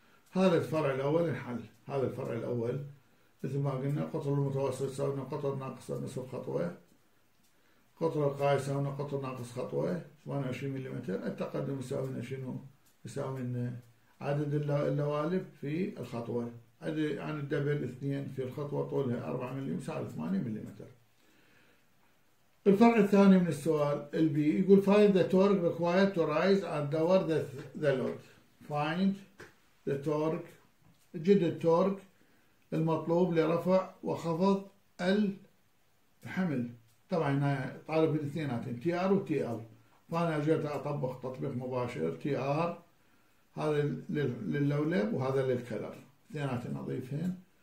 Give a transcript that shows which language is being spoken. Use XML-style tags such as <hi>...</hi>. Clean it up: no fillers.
<ar>هذا الفرع الأول الحل، هذا الفرع الأول مثل ما قلنا قطر المتوسط يساوي قطر ناقص نصف خطوة، قطر القاعي يساوي قطر ناقص خطوة 28 ملم. التقدم يساوي شنو؟ يساوي عدد اللوالب في الخطوة، عدد يعني الدبل 2 في الخطوة طولها 4 ملم يساوي 8 ملم. الفرع الثاني من السؤال البي يقول</ar> <en>find the torque required to rise and lower the load. find the torque،</en> <ar>جد التورك المطلوب لرفع وخفض الحمل. طبعا هنا طالب الاثنين عاتين تي ار وتي ال، فانا جيت اطبق تطبيق مباشر تي ار هذا للولب وهذا للكلر اثنين عاتين اضيفهن.</ar>